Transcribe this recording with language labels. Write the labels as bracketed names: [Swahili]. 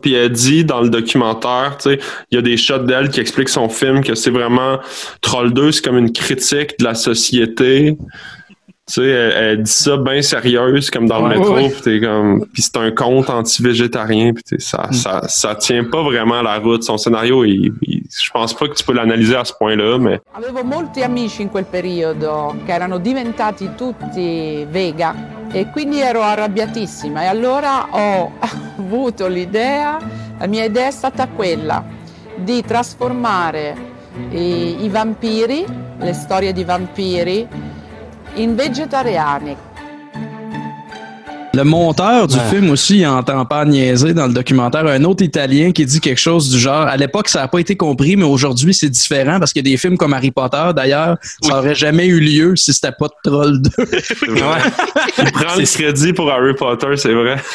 [French] Puis elle dit dans le documentaire, tu sais, il y a des shots d'elle qui expliquent son film que c'est vraiment Troll 2, c'est comme une critique de la société. Tu sais, elle dit ça bien sérieuse, comme dans le métro. Ouais. Puis t'es comme, puis c'est un conte anti-végétarien. Puis t'sais, ça tient pas vraiment à la route. Son scénario, je pense pas que tu peux l'analyser à ce point-là, mais. [Italian] Avevo molti amici in quel periodo che erano diventati tutti vegan. E quindi ero arrabbiatissima e allora ho avuto l'idea, la mia idea è stata quella di trasformare i vampiri, le storie di vampiri, in vegetariani. [French] Le monteur du film aussi, il n'entend pas niaiser dans le documentaire. Un autre Italien qui dit quelque chose du genre, à l'époque, ça n'a pas été compris, mais aujourd'hui, c'est différent parce qu'il y a des films comme Harry Potter, d'ailleurs, ça n'aurait jamais eu lieu si c'était pas Troll 2. Ouais. Il prend le crédit pour Harry Potter, c'est vrai.